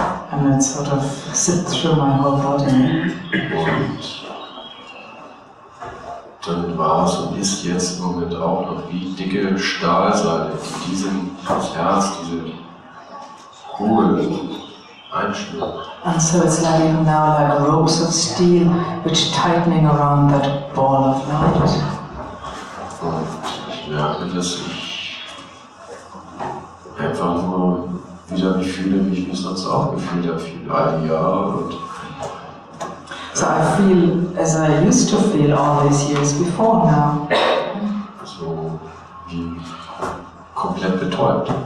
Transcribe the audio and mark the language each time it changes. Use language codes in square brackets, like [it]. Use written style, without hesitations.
[en] And it sort of sits through my whole body. [de] Und dann war es und ist jetzt im Moment auch noch wie dicke Stahlseile, die diesem Herz, diese Kugel einschnürt. [en] And so it's like now like ropes of steel, which tightening around that ball of light. [de] ja, dass ich einfach nur wieder mich fühle, wie ich mich sonst auch gefühlt habe, viel all die Jahre. Und [en] so I feel as I used to feel all these years before now. [de] So wie komplett betäubt.